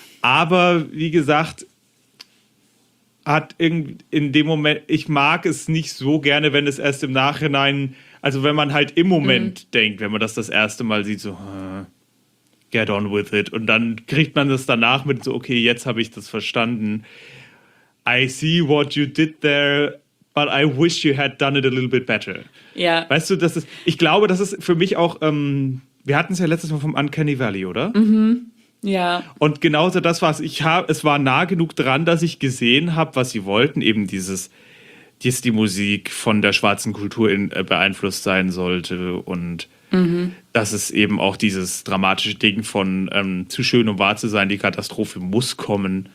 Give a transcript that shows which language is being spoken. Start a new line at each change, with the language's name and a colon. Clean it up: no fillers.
German: Aber, wie gesagt, hat in dem Moment, ich mag es nicht so gerne, wenn es erst im Nachhinein, also wenn man halt im Moment denkt, wenn man das erste Mal sieht, so
English: get on with it.
German: Und dann kriegt man das danach mit so, okay, jetzt habe ich das verstanden.
English: I see what you did there, but I wish you had done it a little bit better.
German: Ja. Weißt du, ich glaube, das ist für mich auch, wir hatten es ja letztes Mal vom Uncanny Valley, oder? Ja. Und genauso das war es. Es war nah genug dran, dass ich gesehen habe, was sie wollten, eben dieses... dass die Musik von der schwarzen Kultur beeinflusst sein sollte und dass es eben auch dieses dramatische Ding von zu schön, um wahr zu sein, die Katastrophe muss kommen.